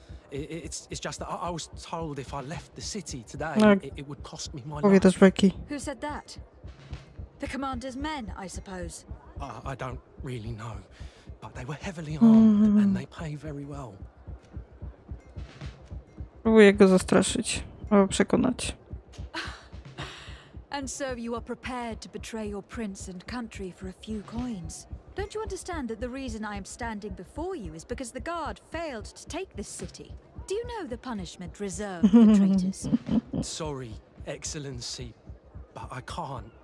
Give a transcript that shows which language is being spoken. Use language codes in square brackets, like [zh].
[en] It's just that I was told if I left the city today, it would cost me my life. Ricky. Who said that? The commander's men, I suppose. I don't really know, but they were heavily armed and they pay very well. [pl] Próbuję go zastraszyć, albo przekonać. [en] And so you are prepared to betray your prince and country for a few coins. Don't you understand that the reason I am standing before you is because the guard failed to take this city? Do you know the punishment reserved for traitors? Sorry, Excellency, but I can't.